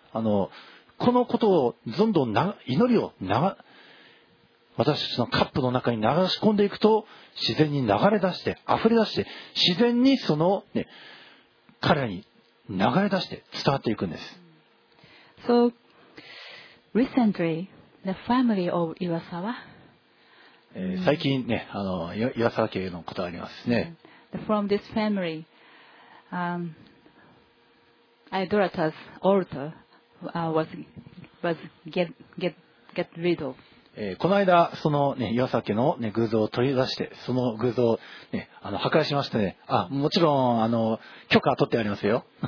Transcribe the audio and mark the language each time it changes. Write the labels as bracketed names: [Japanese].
[Japanese] このことをどんどん祈りを私たちのカップの中に流し込んでいくと、自然に流れ出して溢れ出して、自然にそのね、彼らに流れ出して伝わっていくんです。 [English] So, recently, the family of Iwasawa, [Japanese] 最近ね、岩沢家のことがありますね。 [English] From this family, idolatrous altar was get rid of. [Japanese] この間その、ね、岩崎の、ね、偶像を取り出してその偶像を、ね、あの破壊しましたね。あ、もちろんあの許可取ってありますよ。